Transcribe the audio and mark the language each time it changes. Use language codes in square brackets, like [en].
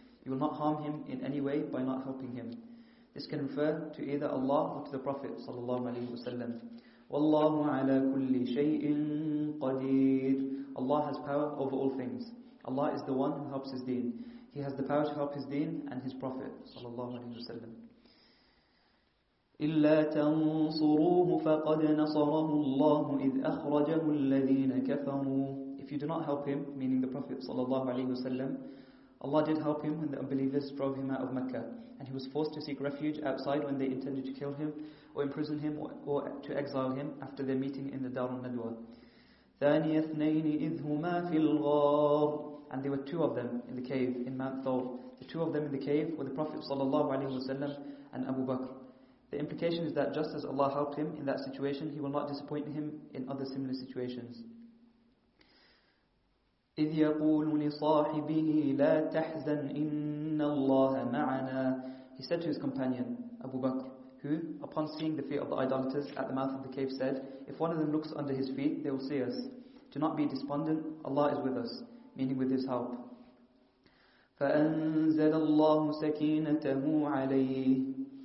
[en] You will not harm him in any way by not helping him. This can refer to either Allah or to the Prophet sallallahu alaihi wasallam. [ar] وَاللَّهُ عَلَى كُلِّ شَيْءٍ قَدِيرٌ. [en] Allah has power over all things. Allah is the one who helps his deen. He has the power to help his deen and his Prophet sallallahu alaihi wasallam. [ar] إلا تنصروه فقد نصره الله إذ أخرجه الذين كفروا. [en] If you do not help him, meaning the Prophet sallallahu alaihi wasallam, Allah did help him when the unbelievers drove him out of Mecca, and he was forced to seek refuge outside when they intended to kill him or imprison him or to exile him after their meeting in the Darun Nadwa. [ar] ثاني اثنين إذ هما في الغار. [en] And there were two of them in the cave in Mount Thawr. The two of them in the cave were the Prophet sallallahu alaihi wasallam and Abu Bakr. The implication is that just as Allah helped him in that situation, He will not disappoint him in other similar situations. [ar] إذ يقول لصاحبه لا تحزن إن الله معنا. [en] He said to his companion Abu Bakr, who, upon seeing the feet of the idolaters at the mouth of the cave, said, "If one of them looks under his feet, they will see us. Do not be despondent, Allah is with us," meaning with his help. [ar] فَأَنزَلَ اللَّهُ سَكِينَتَهُ عَلَيْهِ.